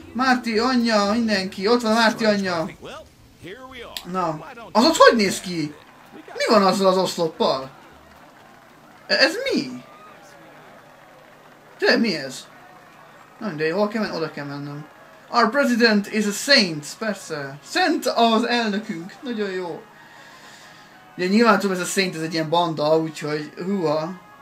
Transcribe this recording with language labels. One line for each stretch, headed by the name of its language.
Hungarian: Marty anyja, mindenki! Ott van Marty anyja! Na, az ott hogy néz ki? Mi van azzal az oszloppal? Ez mi? Te, mi ez? Na, de hol kell mennem? Oda kell mennem.
English: Our president is a saint,
Hungarian: persze. Szent az elnökünk, nagyon jó. De nyilván tudom, ez a saint, ez egy ilyen banda, úgyhogy húha.